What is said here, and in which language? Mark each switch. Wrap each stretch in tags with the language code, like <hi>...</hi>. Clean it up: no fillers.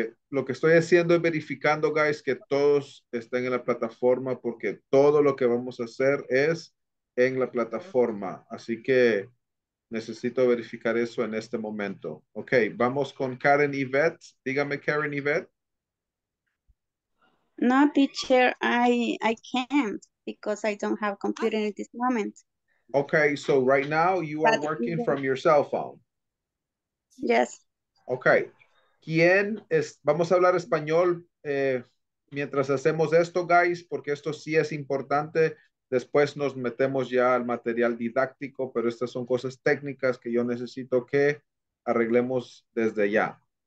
<es>Lo que estoy haciendo es verificando, guys, que todos estén en la plataforma porque todo lo que vamos a hacer es en la plataforma. Así que necesito verificar eso en este momento. Ok, vamos con Karen Yvette. Dígame, Karen Yvette.</es> <en>No, teacher, I can't because I don't have computer in this moment. Ok, so right now you are working from your cell phone. Yes.</en> <es>Ok, ¿quién es? Vamos a hablar español mientras hacemos esto, guys, porque esto sí es importante. Después nos metemos ya al material didáctico, pero estas son cosas técnicas que yo necesito que arreglemos desde ya.</es>